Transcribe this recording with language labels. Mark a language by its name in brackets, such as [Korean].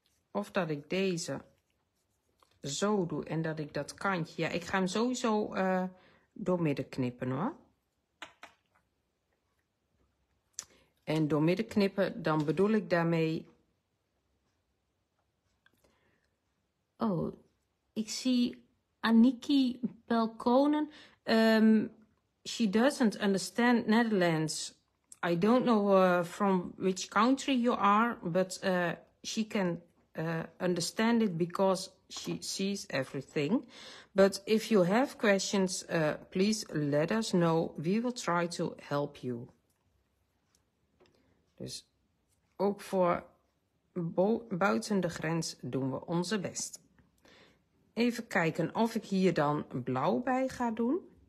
[Dutch] Of dat ik deze zo doe en dat ik dat kantje, ja, ik ga hem sowieso doormidden knippen hoor. En doormidden knippen, dan bedoel ik daarmee. Oh, ik zie Aniki Pelkonen. [English] She doesn't understand Netherlands. I don't know from which country you are, but she can understand it because she sees everything. But if you have questions, please let us know. We will try to help you. [Dutch] Dus ook voor buiten de grens doen we onze best. Even kijken of ik hier dan blauw bij ga doen.